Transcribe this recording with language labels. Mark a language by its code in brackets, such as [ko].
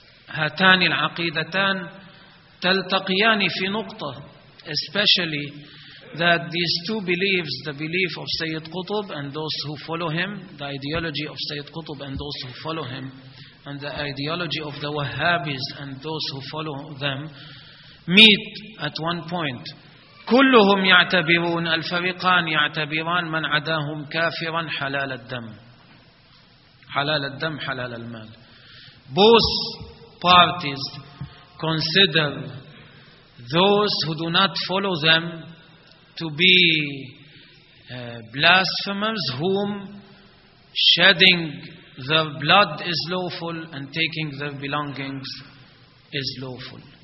[ar] هاتان العقيدتان تلتقيان في نقطة. [en] Especially that these two beliefs, the belief of Sayyid Qutb and those who follow him, the ideology of Sayyid Qutb and those who follow him, and the ideology of the Wahhabis and those who follow them, meet at one point. [ar] كلهم يعتبرون الفريقان يعتبران من عداهم كافرا حلال الدم. حلال الدم حلال المال. [en] Both parties consider those who do not follow them to be blasphemers whom shedding their blood is lawful and taking their belongings is lawful.